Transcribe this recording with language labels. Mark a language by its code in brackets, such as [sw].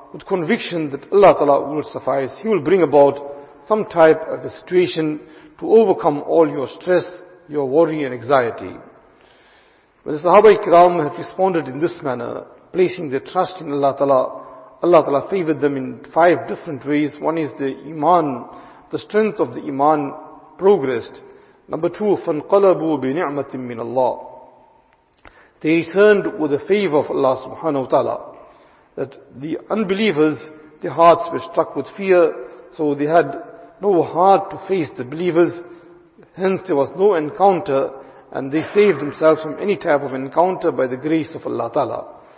[en] with conviction that Allah Ta'ala will suffice. He will bring about some type of a situation to overcome all your stress, your worry and anxiety. When the Sahaba-i-Kiram have responded in this manner, placing their trust in Allah Ta'ala, Allah Ta'ala favored them in five different ways. One is the iman, the strength of the iman progressed. Number two, [ar] فَانْقَلَبُوا بِنِعْمَةٍ مِّنَ اللَّهِ. [en] They returned with the favor of Allah subhanahu wa ta'ala. That the unbelievers, their hearts were struck with fear, so they had no heart to face the believers. Hence there was no encounter, and they saved themselves from any type of encounter by the grace of Allah ta'ala.